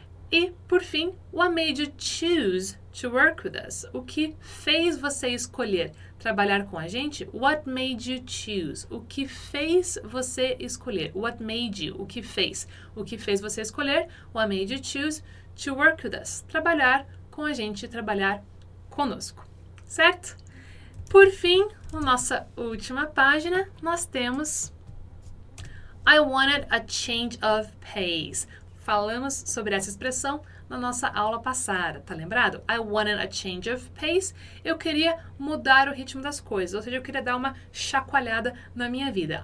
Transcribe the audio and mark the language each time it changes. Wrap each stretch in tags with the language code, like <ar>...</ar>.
<pt>E, por fim,</pt> <en>what made you choose to work with us?</en> <pt>O que fez você escolher trabalhar com a gente?</pt> <en>What made you choose?</en> <pt>O que fez você escolher?</pt> <en>What made you?</en> <pt>O que fez? O que fez você escolher?</pt> <en>What made you choose to work with us?</en> <pt>Trabalhar com a gente, trabalhar conosco. Certo? Por fim, na nossa última página, nós temos</pt> <en>I wanted a change of pace.</en> <pt>Falamos sobre essa expressão na nossa aula passada, tá lembrado?</pt> <en>I wanted a change of pace.</en> <pt>Eu queria mudar o ritmo das coisas, ou seja, eu queria dar uma chacoalhada na minha vida.</pt>